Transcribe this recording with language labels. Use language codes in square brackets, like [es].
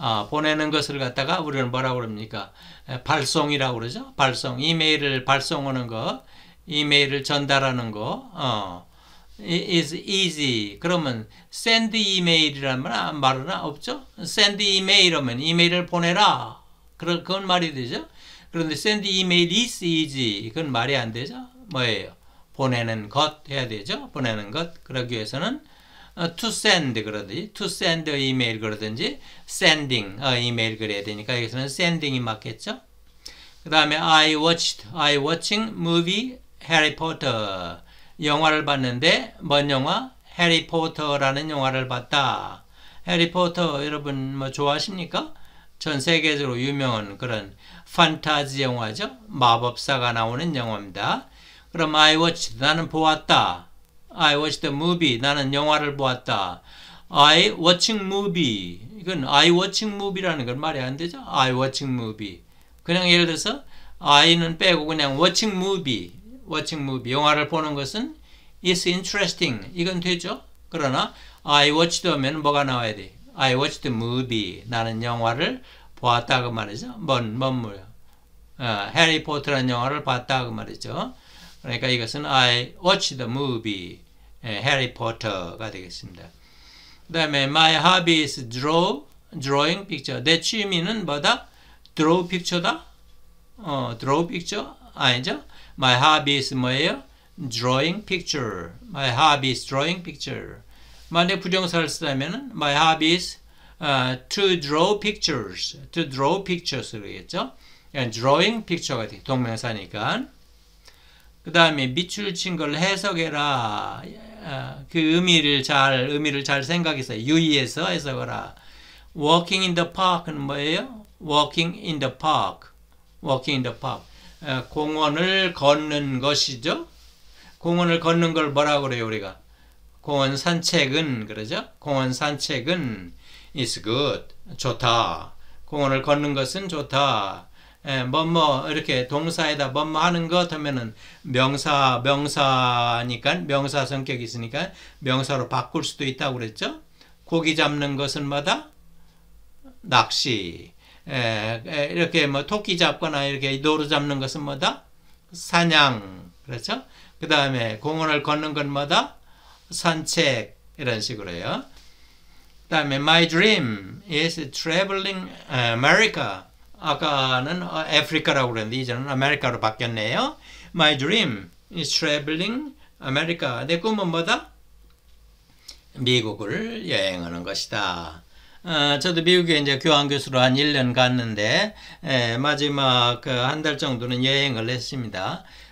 [ko] 보내는 것을 갖다가 우리는 뭐라고 합니까? 발송이라고 그러죠. 발송. Email을 발송하는 것. Email을 전달하는 것. [en] Is easy. [ko] 그러면 [en] send email [ko] 이라는 말은 없죠? [en] Send email [ko] 하면 이메일을 보내라. 그건 말이 되죠? 그런데 [en] send email is easy. [ko] 그건 말이 안 되죠? 뭐예요? 보내는 것 해야 되죠? 보내는 것. 그러기 위해서는 to send 그러든지 [en] to send email [ko] 그러든지 [en] sending email [ko] 그래야 되니까 여기서는 sending이 맞겠죠? 그 다음에 [en] I watching movie [ko] Harry Potter. 영화를 봤는데 뭔 영화? 해리포터라는 영화를 봤다. 해리포터 여러분 뭐 좋아하십니까? 전 세계적으로 유명한 그런 판타지 영화죠. 마법사가 나오는 영화입니다. 그럼 [en] I watched [ko] 나는 보았다. [en] I watched the movie [ko] 나는 영화를 보았다. [en] I watching movie 이건 I watching movie라는 건 [ko] 말이 안 되죠. [en] I watching movie [ko] 그냥 예를 들어서 I는 빼고 그냥 watching movie 영화를 보는 것은 [en] It's interesting [ko] 이건 되죠. 그러나 I watched 하면 뭐가 나와야 돼? [en] I watched the movie [ko] 나는 영화를 보았다 그 말이죠. 뭔 뭐요? 해리포터라는 영화를 봤다 그 말이죠. 그러니까 이것은 [en] I watched the movie [ko] 해리포터가 되겠습니다. 그 다음에 [en] My hobby is drawing picture. [ko] 내 취미는 뭐다? [en] Draw picture [ko] 다? Draw picture? 아니죠? [en] My hobby is [ko] 뭐예요? [en] Drawing picture. My hobby is drawing picture. [ko] 만약 부정사를 쓰다면 [en] My hobby is to draw pictures. To draw pictures [ko] 그러겠죠? [en] Drawing picture [ko] 가 돼, 동명사니까. 그 다음에 밑줄 친걸 해석해라. 그 의미를 잘 생각해서 유의해서 해석하라. [en] Walking in the park는 [ko] 뭐예요? [en] Walking in the park. Walking in the park. [ko] 공원을 걷는 것이죠. 공원을 걷는 걸 뭐라고 그래요, 우리가? 공원 산책은 그러죠? 공원 산책은 [en] is good. [ko] 좋다. 공원을 걷는 것은 좋다. 뭐뭐 이렇게 동사에다 뭐뭐 하는 것 하면은 명사니까 명사 성격이 있으니까 명사로 바꿀 수도 있다고 그랬죠? 고기 잡는 것은 뭐다? 낚시. 이렇게 뭐 토끼 잡거나 이렇게 노루 잡는 것은 뭐다? 사냥. 그렇죠? 그 다음에 공원을 걷는 건 뭐다? 산책. 이런 식으로요. 그 다음에 [en] My dream is traveling America. [ko] 아까는 아프리카라고 그랬는데 이제는 아메리카로 바뀌었네요. [en] My dream is traveling America. [ko] 내 꿈은 뭐다? 미국을 여행하는 것이다. 저도 미국에 이제 교환교수로 한 1년 갔는데 마지막 그한달 정도는 여행을 했습니다.